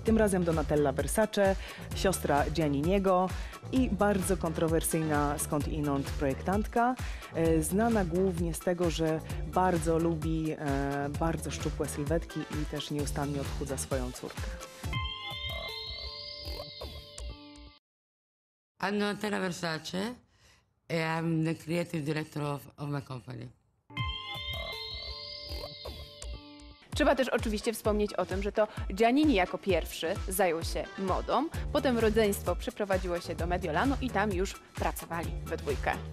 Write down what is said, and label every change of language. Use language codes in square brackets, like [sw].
[pl] Tym razem Donatella Versace, siostra Gianniniego i bardzo kontrowersyjna skądinąd projektantka, znana głównie z tego, że bardzo lubi bardzo szczupłe sylwetki i też nieustannie odchudza swoją córkę. [en] I'm Donatella Versace, and I'm the creative director of my company. [pl] Trzeba też oczywiście wspomnieć o tym, że to Giannini jako pierwszy zajął się modą, potem rodzeństwo przeprowadziło się do Mediolanu i tam już pracowali we dwójkę.